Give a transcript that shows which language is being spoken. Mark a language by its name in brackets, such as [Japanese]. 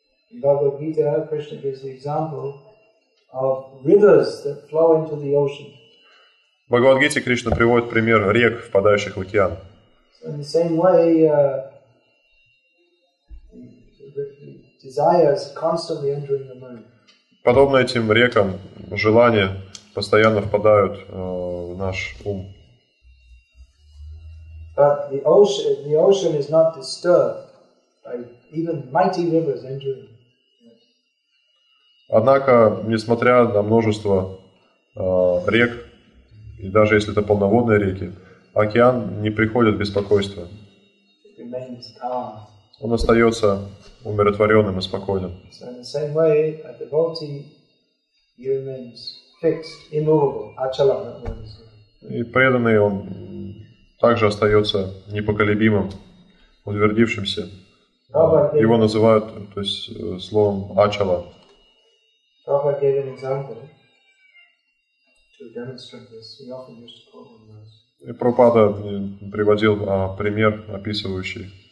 [English] In Bhagavad Gita, Krishna gives the example of rivers that flow into the ocean. [Russian] В Бхагавад Гите Кришна приводит пример рек, впадающих в океан. [English] So in the same way, the desires constantly entering the mind. [Russian] Подобно этим рекам, желания постоянно впадают в наш ум. [English] But the ocean is not disturbed by even mighty rivers entering. [Russian] Однако, несмотря на множество рек, и даже если это полноводные реки, океан не приходит в беспокойство. [English] It remains calm. [Russian] Он остается умиротворенным и спокойным. [English] So in the same way, a devotee remains fixed, immovable, achalam, that means. [Russian] И преданный он также остается непоколебимым, утвердившимся. Prabhupada его называют, то есть, словом «ачала». [English] Prabhupada gave an example to demonstrate this. He often used to quote on this. [Russian] И Прабхупада приводил пример, описывающий.